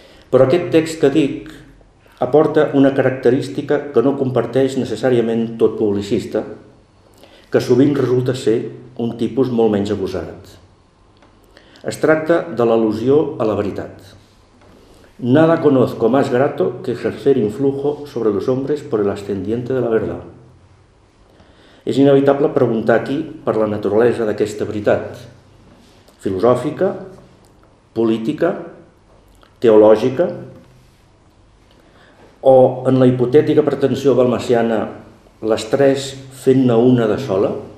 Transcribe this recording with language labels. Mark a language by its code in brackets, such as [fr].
[ca] Però aquest text que dic aporta una característica que no comparteix necessàriament tot publicista, que sovint resulta ser un tipus molt menys abusat. Es tracta de l'al·lusió a la veritat. [es] Nada conozco más grato que ejercer influjo sobre los hombres por el ascendiente de la verdad. [ca] És inevitable preguntar aquí per la naturalesa d'aquesta veritat: filosòfica, política, teològica, o en la hipotètica pretensió balmesiana, les tres fent-ne una de sola?